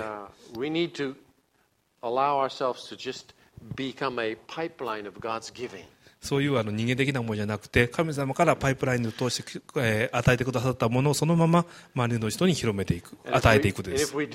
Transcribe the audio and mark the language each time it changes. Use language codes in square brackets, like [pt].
[en] Yeah. We need to allow ourselves to just become a pipeline of God's giving. [ja] そういう人間的なものじゃなくて、神様からパイプラインを通して与えてくださったものをそのまま周りの人に広めていく、与えていくです。